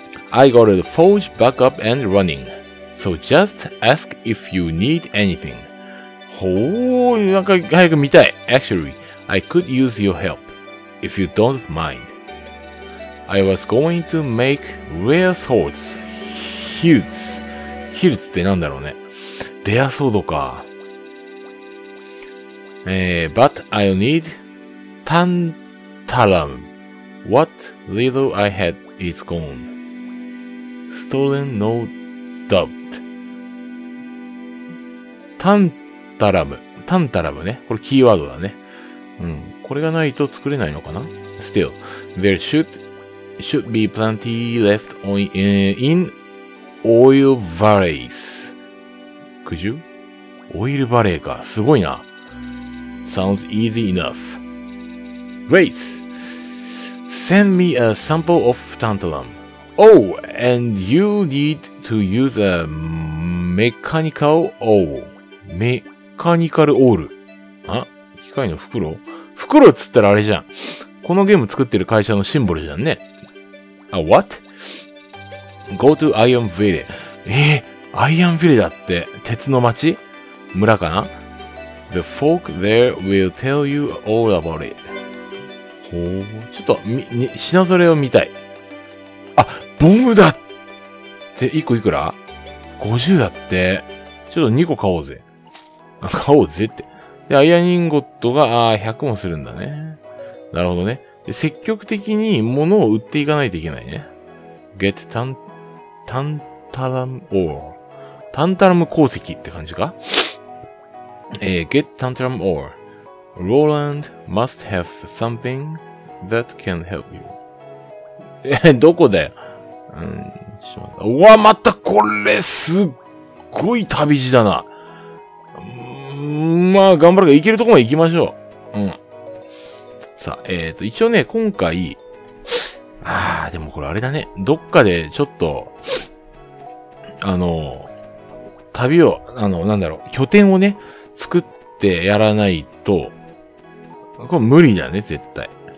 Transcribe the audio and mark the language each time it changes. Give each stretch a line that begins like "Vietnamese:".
English: I got a forge back up and running. So just ask if you need anything.
Japanese: ほー、なんか早く見たい。
English: Actually, I could use your help. If you don't mind. I was going to make rare swords. Hilts.
Japanese: Hilts ってなんだろうね。レアソードか。
English: But I'll need tantalum. What little I had is gone. Stolen, no doubt.
Japanese: Tantalum ね。これキーワードだね。うん。これがないと作れないのかな?
English: Still, there should be plenty left in oil valleys. Could you?
Japanese: オイルバレーか。すごいな。
English: Sounds easy enough. Wait! Send me a sample of tantalum. Oh, and you need to use a mechanical oil. Mechanical oil.
Japanese: あ?機械の袋? 袋っつったらあれじゃん。このゲーム作ってる会社のシンボルじゃんね。あ、
English: what? Go to Iron Village. Iron Village
Japanese: だって。鉄の町?村かな?
English: The folk there will tell you all about it.
Japanese: ほー、ちょっと、品ぞれを見たい。あ、ボムだって、1個いくら ?50 だって。ちょっと2個買おうぜ。買おうぜって。で、アイアンインゴットが、100もするんだね。なるほどね。で、積極的に物を売っていかないといけないね。
English: get tantalum ore。
Japanese: タンタラム鉱石って感じか?
English: get tantalum ore. Roland must have something that can help you.
Japanese: どこだよ? うわ、またこれ、すっごい旅路だな。まあ、頑張るか。行けるとこまで行きましょう。うん。さあ、一応ね、今回、でもこれあれだね。どっかで、ちょっと、旅を、なんだろう、拠点をね、作ってやらないと、これ無理だね、絶対。